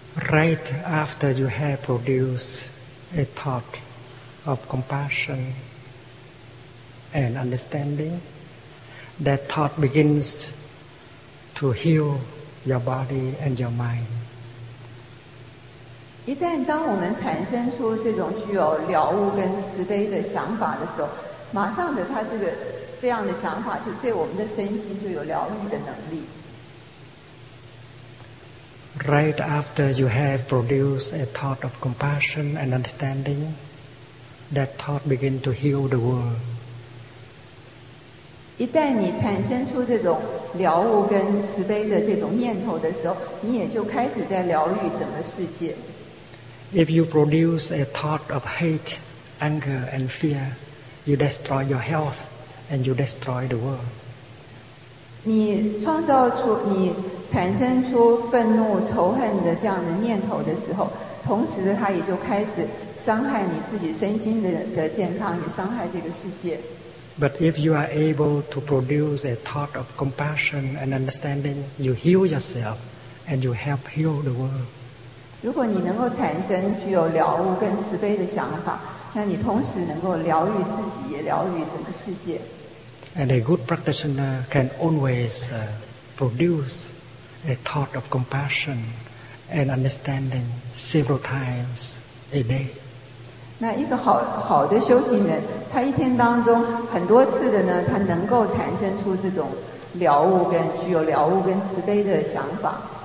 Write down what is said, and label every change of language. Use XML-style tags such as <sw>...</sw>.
<en>Right after you have produced a thought of compassion and understanding, that thought begins to heal your body and your mind.</en> <zh>一旦当我们产生出这种具有了悟跟慈悲的想法的时候，马上的他这个这样的想法就对我们的身心就有了悟的能力。</zh> <en>Right after you have produced a thought of compassion and understanding, that thought begins to heal the world.</en> <zh>一旦你产生出这种了悟跟慈悲的这种念头的时候，你也就开始在疗愈整个世界。</zh> <en>If you produce a thought of hate, anger, and fear, you destroy your health and you destroy the world.</en> <zh>你创造出你产生出愤怒仇恨的这样的念头的时候，同时的它也就开始伤害你自己身心的健康，也伤害这个世界。</zh> <en>But if you are able to produce a thought of compassion and understanding, you heal yourself and you help heal the world.</en> <zh>如果你能够产生具有了悟跟慈悲的想法，那你同时能够疗愈自己，也疗愈整个世界。</zh> <en>And a good practitioner can always produce a thought of compassion and understanding several times a day.</en> <zh>那一个好的修行人，他一天当中很多次的呢，他能够产生出这种了悟跟具有了悟跟慈悲的想法。</zh>